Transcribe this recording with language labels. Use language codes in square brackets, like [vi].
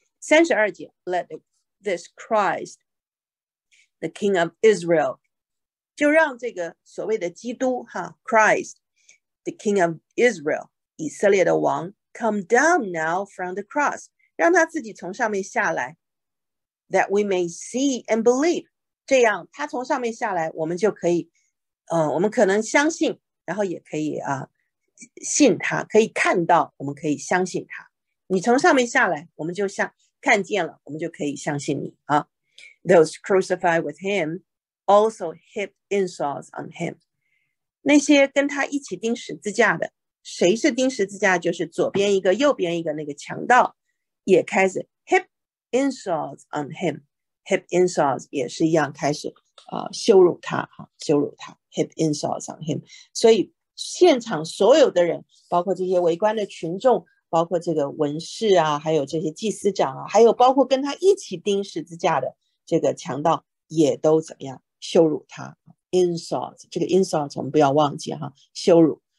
[zh] 32节， [en] Let this Christ, the King of Israel， [zh] 就让这个所谓的基督哈， [en] Christ, the King of Israel， [zh] 以色列的王， [en] come down now from the cross， [zh] 让他自己从上面下来， [en] that we may see and believe， [zh] 这样他从上面下来，我们就可以，我们可能相信。然后也可以啊，信他，可以看到，我们可以相信他。你从上面下来，我们就像看见了，我们就可以相信你啊。 [en] Those crucified with him also heaped insults on him。 [zh] 那些跟他一起钉十字架的，谁是钉十字架？就是左边一个，右边一个那个强盗，也开始 [en] heap insults on him。 [zh] heap insults 也是一样，开始啊、羞辱他，哈、啊，羞辱他。 [en] heap insults on him， [zh] 所以现场所有的人，包括这些围观的群众，包括这个文士啊，还有这些祭司长啊，还有包括跟他一起钉十字架的这个强盗，也都怎么样羞辱他？insults 这个 insults 我们不要忘记哈、啊，羞辱。